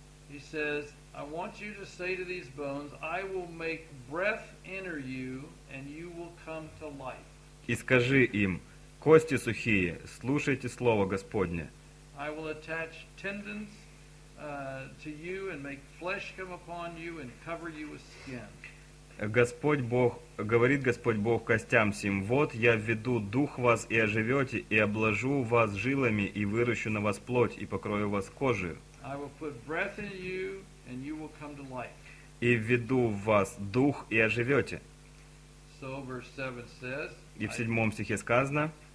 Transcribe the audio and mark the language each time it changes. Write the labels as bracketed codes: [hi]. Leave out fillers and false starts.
[en] He says, I want you to say to these bones, I will make breath enter you, and you will come to life. [ru] И скажи им, кости сухие, слушайте слово Господне. [en] I will attach tendons to you and make flesh come upon you and cover you with skin. [ru] Господь Бог, говорит Господь Бог костям сим, вот я введу дух вас и оживете, и обложу вас жилами, и выращу на вас плоть, и покрою вас кожей. [en] I will put breath in you, and you will come to life. [ru] И введу в вас дух, и оживете. [en] So verse 7 says, [ru] и в седьмом стихе сказано,